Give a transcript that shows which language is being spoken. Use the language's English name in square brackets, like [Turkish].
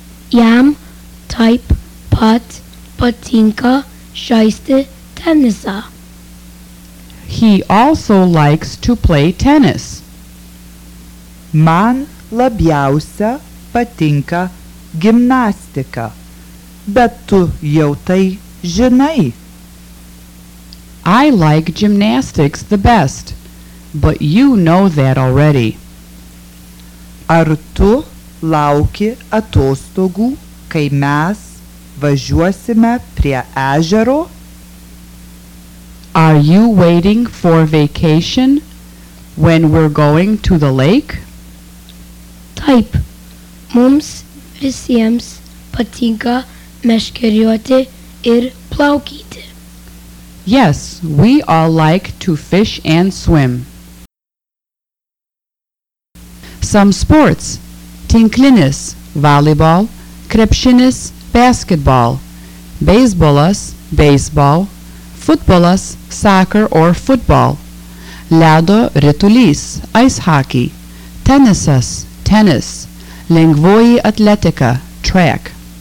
[Lithuanian] Jam taip pat patinka žaisti tenisą. [English] He also likes to play tennis. [Lithuanian] Man labiausia patinka gimnastika, bet tu jau tai žinai. [English] I like gymnastics the best, but you know that already. [Lithuanian] Ar tu lauki atostogų, kai mes važiuosime prie ežero? [English] Are you waiting for vacation when we're going to the lake? [Lithuanian] Taip, mums visiems patinka meškerioti ir plaukyti. [English] Yes, we all like to fish and swim. Some sports: tinklinis, volleyball; krepšinis, basketball; beisbolas, baseball; futbolas, soccer or football; ledo ritulys, ice hockey; tenisas, tennis; lengvoji atletika, track.